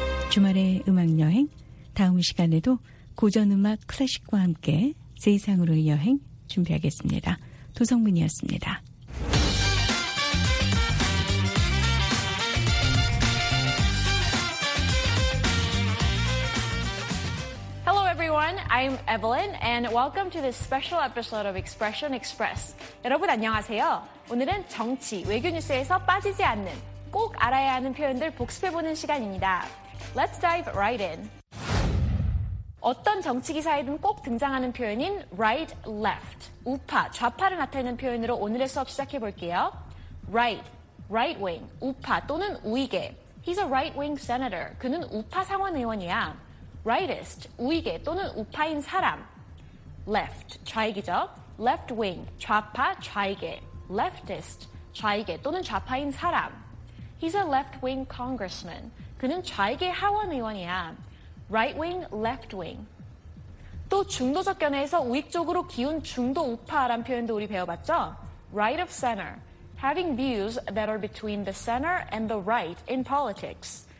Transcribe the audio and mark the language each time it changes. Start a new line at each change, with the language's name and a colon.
Korean: 주말의 음악여행, 다음 시간에도 고전음악 클래식과 함께 세상으로의 여행 준비하겠습니다. 도성문이었습니다. 안녕하세요.
English: I'm Evelyn and welcome to this special episode of Expression Express.
Korean: 여러분 안녕하세요. 오늘은 정치, 외교 뉴스에서 빠지지 않는 꼭 알아야 하는 표현들 복습해보는 시간입니다.
English: Let's dive right in.
Korean: 어떤 정치 기사에든 꼭 등장하는 표현인 right, left, 우파, 좌파를 나타내는 표현으로 오늘의 수업 시작해볼게요.
English: Right, right wing,
Korean: 우파 또는 우익에.
English: He's a right wing senator.
Korean: 그는 우파 상원의원이야. Rightist, 우익에 또는 우파인 사람. Left, 좌익이죠. Left wing, 좌파, 좌익에. Leftist, 좌익에 또는 좌파인 사람.
English: He's a left-wing congressman.
Korean: 그는 좌익의 하원의원이야.
English: Right-wing, left-wing.
Korean: 또 중도적 견해에서 우익쪽으로 기운 중도 우파란 표현도 우리 배워봤죠?
English: Right of center. Having views that are between the center and the right in politics.